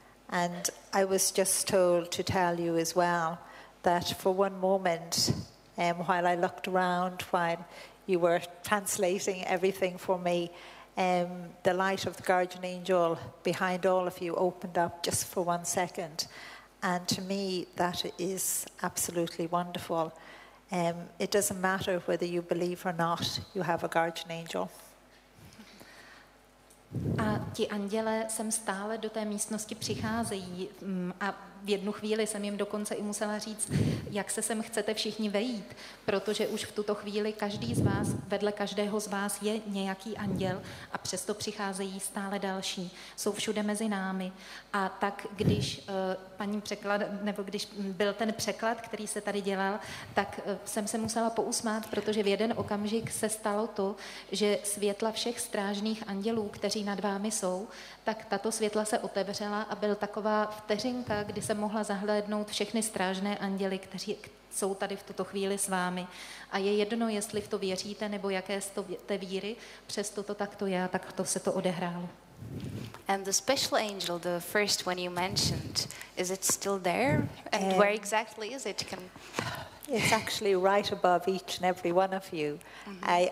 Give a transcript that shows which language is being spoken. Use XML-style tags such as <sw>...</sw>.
<en>And I was just told to tell you as well that for one moment, while I looked around, while you were translating everything for me, the light of the guardian angel behind all of you opened up just for one second. And to me that is absolutely wonderful. It doesn't matter whether you believe or not, you have a guardian angel.</en> <cs>A ti anděle sem stále do té místnosti přicházejí a v jednu chvíli jsem jim dokonce i musela říct, jak se sem chcete všichni vejít, protože už v tuto chvíli každý z vás, vedle každého z vás je nějaký anděl a přesto přicházejí stále další, jsou všude mezi námi. A tak když paní překlad, nebo když byl ten překlad, který se tady dělal, tak jsem se musela pousmát, protože v jeden okamžik se stalo to, že světla všech strážných andělů, kteří nad vámi jsou, tak tato světla se otevřela a byl taková vteřinka, kdy jsem mohla zahlédnout všechny strážné anděly, kteří jsou tady v tuto chvíli s vámi. A je jedno, jestli v to věříte, nebo jaké z té víry, přesto to takto je, tak to se to odehrálo.</cs> <en>And the special angel, the first one you mentioned, is it still there? And where exactly is it? Can... It's actually right above each and every one of you. Mm-hmm.</en>